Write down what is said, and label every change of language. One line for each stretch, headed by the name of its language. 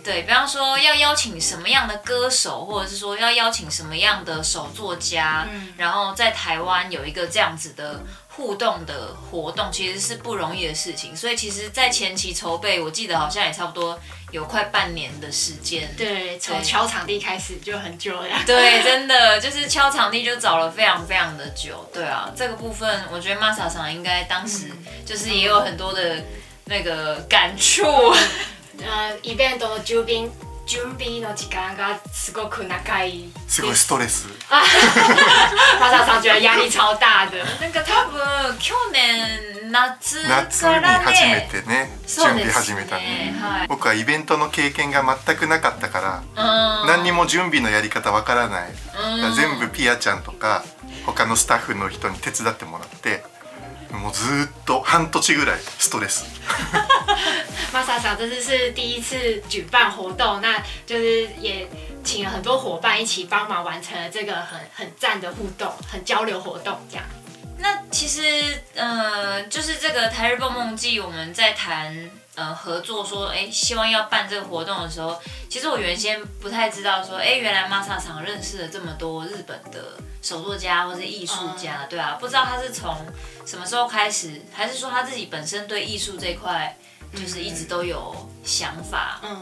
Chinese: 对，比方说要邀请什么样的歌手，或者是说要邀请什么样的手作家，然后在台湾有一个这样子的互动的活动其实是不容易的事情，所以其实在前期筹备我记得好像也差不多有快半年的时间，对，从敲场地开始就很久了，对，真的就是敲场地就找了非常非常的久，对啊，这个部分我觉得 Masa 桑应该当时就是也有很多的那个感触，
Japanese: イベントの準備の時間がすごく長い。すごいストレス。
Chinese: マサさん觉得压力超大的。
Japanese: 那个多分去年夏からね。夏に初めてね準備始めたね。はい。僕はイベントの経験が全くなかったから、何にも準備のやり方わからない。全部ピアちゃんとか他のスタッフの人に手伝ってもらって。もうずっと半年ぐらいストレス。
Chinese: マサさん、这次是第一次举办活动，那就是也请了很多伙伴一起帮忙完成了这个很赞的互动、很交流活动，这样。那其实就是这个台日蹦蹦季，我们在谈合作说，哎，希望要办这个活动的时候，其实我原先不太知道说，哎，原来马莎常认识了这么多日本的手作家或是艺术家，对啊，不知道他是从什么时候开始，还是说他自己本身对艺术这块就是一直都有想法。